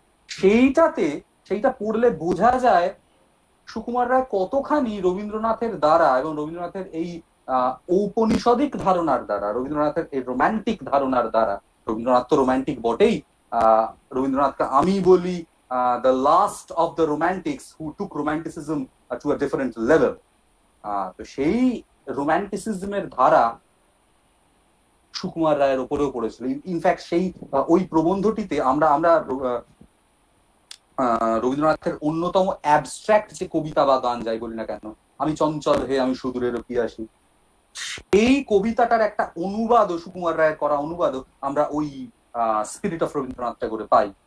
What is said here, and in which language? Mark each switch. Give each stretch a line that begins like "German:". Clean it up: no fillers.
Bangla: সেইটাতে, সেইটা পড়লে বোঝা যায় সুকুমার রায় কতখানি রবীন্দ্রনাথের দ্বারা এবং রবীন্দ্রনাথের এই ঔপনিষদিক ধারণার দ্বারা, রবীন্দ্রনাথের এই রোম্যান্টিক ধারণার দ্বারা, রবীন্দ্রনাথ তো রোম্যান্টিক বটেই, রবীন্দ্রনাথকে আমি বলি,
English: the last of the romantics who took romanticism to a different level.
Bangla: তো সেই রোম্যান্টিসিজমের ধারা সুকুমার রায়ের উপরেও পড়েছিল। ইনফ্যাক্ট সেই ওই প্রবন্ধটিতে আমরা আমরা রবীন্দ্রনাথের অন্যতম অ্যাবস্ট্রাক্ট যে কবিতা বা গান যাই বলি না কেন, আমি চঞ্চল হে আমি সুদূরে রকি আসি, এই কবিতাটার একটা অনুবাদ, সুকুমার রায়ের করা অনুবাদ আমরা ওই স্পিরিট অফ রবীন্দ্রনাথটা করে পাই।